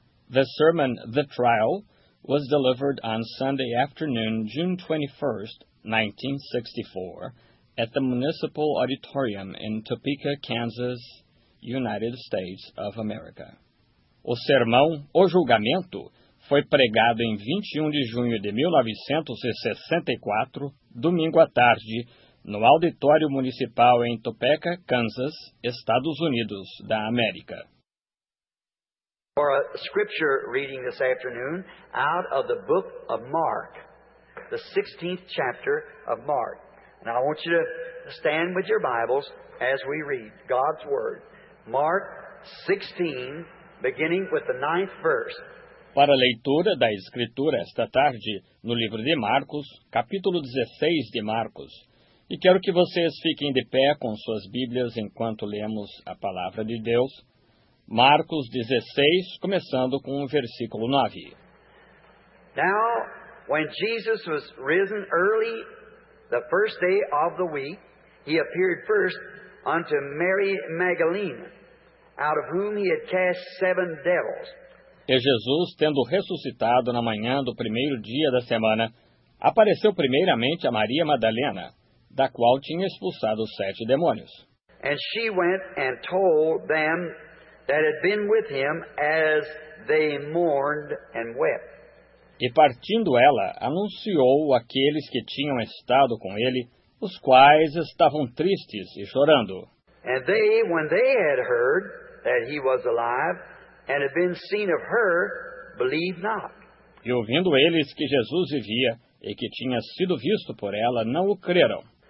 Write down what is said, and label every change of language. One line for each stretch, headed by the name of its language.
English: The sermon, The Trial, was delivered on Sunday afternoon, June 21, 1964, at the Municipal Auditorium in Topeka, Kansas, United States of America.
Portuguese: O sermão, O Julgamento, foi pregado em 21 de junho de 1964, domingo à tarde, no Auditório Municipal em Topeka, Kansas, Estados Unidos da América.
English: For a scripture reading this afternoon out of the book of Mark, the 16th chapter of Mark. Now I want you to stand with your Bibles as we read God's Word. Mark 16, beginning with the 9th verse.
Portuguese: Para a leitura da Escritura esta tarde no livro de Marcos, capítulo 16 de Marcos. E quero que vocês fiquem de pé com suas Bíblias enquanto lemos a Palavra de Deus. Marcos 16, começando com o versículo 9.
English: Now, when Jesus was risen early the first day of the week, he appeared first unto Mary Magdalene, out of whom he had cast seven devils.
Portuguese: E Jesus, tendo ressuscitado na manhã do primeiro dia da semana, apareceu primeiramente a Maria Madalena, da qual tinha expulsado sete demônios.
English: And she went and told them that had been with him as they mourned and wept.
Portuguese: E partindo ela, anunciou aqueles que tinham estado com ele, os quais estavam tristes e chorando.
English: And they, when they had heard that he was alive and had been seen of her, believed not.
Portuguese: E ouvindo eles que Jesus vivia e que tinha sido visto por ela, não o creram.